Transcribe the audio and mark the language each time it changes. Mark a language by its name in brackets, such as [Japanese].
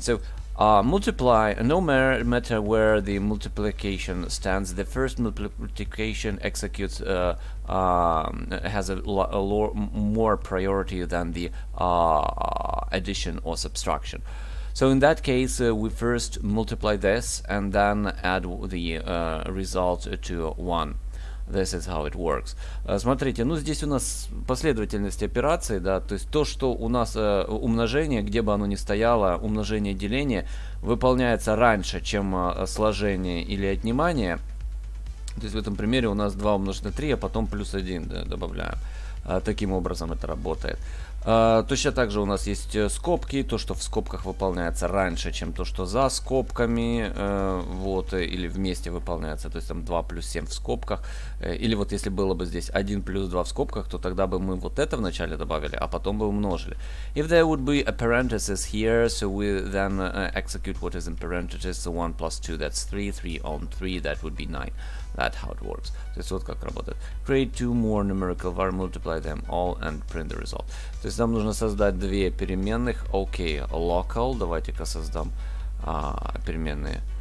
[English] So multiply, no matter where the multiplication stands, the first multiplication executes has more priority than the addition or subtraction. So in that case, we first multiply this and then add the result to 1. This is how it works. [Russian] Смотрите, ну здесь у нас последовательность операций, да, то есть то, что у нас умножение, где бы оно ни стояло, умножение, деление, выполняется раньше, чем сложение или отнимание. То есть в этом примере у нас 2 умножить на 3, а потом плюс 1, да, добавляем. Таким образом это работает. Точно так же у нас есть скобки, то, что в скобках выполняется раньше, чем то, что за скобками, вот, или вместе выполняется, то есть там 2 плюс 7 в скобках, или вот если было бы здесь 1 плюс 2 в скобках, то тогда бы мы вот это вначале добавили, а потом бы умножили. [English] If there would be a parenthesis here, so we then execute what is in parenthesis, so 1 plus 2, that's 3, 3 on 3, that would be 9. That's how it works. [Russian] То есть вот как работает. [English] Create two more numerical var, multiply them all and print the result. [Russian] То есть нам нужно создать две переменных. [English] Okay, local. [Russian] Давайте-ка создам переменные.